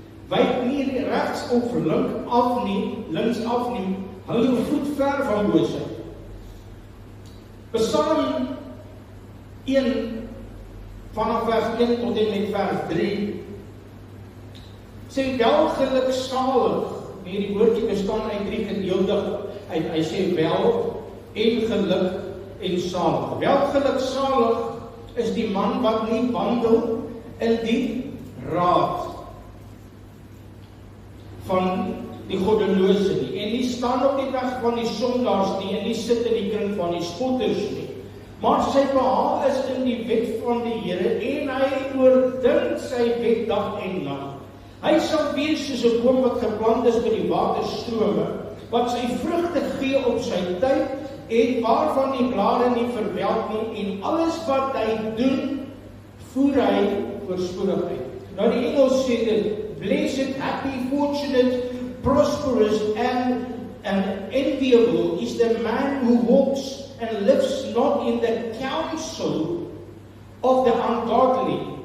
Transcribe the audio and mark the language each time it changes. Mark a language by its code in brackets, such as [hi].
[af] Wyk nie regs of links af nie. Hou jou voet ver van bose. Psalm 1 vanaf vers 1 tot en met vers 3 sê wel gelukzalig, hierdie woordje bestaan uit drie gedeeltes, hy sê wel en geluk en salig. Wel gelukzalig is die man wat nie wandel in die raad van die goddelose nie, en nie staan op die weg van die sondaars nie, en nie sit in die kring van die spotters nie, maar sy behaal is in die wet van die Here, en hy oordink sy wet dag en nacht. Hy sal wees soos 'n boom wat geplant is by die waterstrome, wat sy vrugte gee op sy tyd, en waarvan die blare nie verwelk nie, en alles wat hy doen, voer hy voorspoedig uit. Nou die Engels sê dit, [en] blessed, happy, fortunate, prosperous and enviable is the man who walks and lives not in the counsel of the ungodly.